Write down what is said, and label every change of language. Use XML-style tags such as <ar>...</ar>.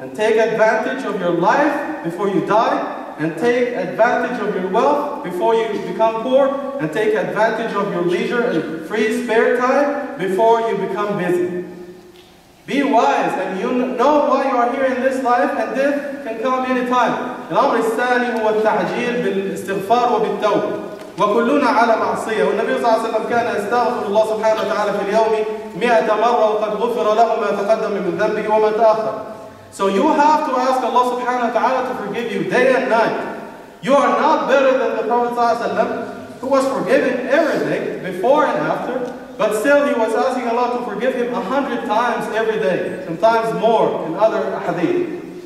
<en>And take advantage of your life before you die. And take advantage of your wealth before you become poor. And take advantage of your leisure and free spare time before you become busy. Be wise, and you know why you are here in this life, and death can come any time.</en> <ar>الأمر الثاني هو التعجيل بالاستغفار وبالتوبة. وكلنا على معصية. والنبي صلى الله عليه وسلم كان يستغفر الله سبحانه وتعالى في اليوم 100 مرة وقد غفر له ما تقدم من ذنبه وما تأخر.</ar> <en>So you have to ask Allah subhanahu wa ta'ala to forgive you day and night. You are not better than the Prophet sallallahu alaihi wasallam, who was forgiven everything before and after, but still he was asking Allah to forgive him 100 times every day, sometimes more in other hadith.</en>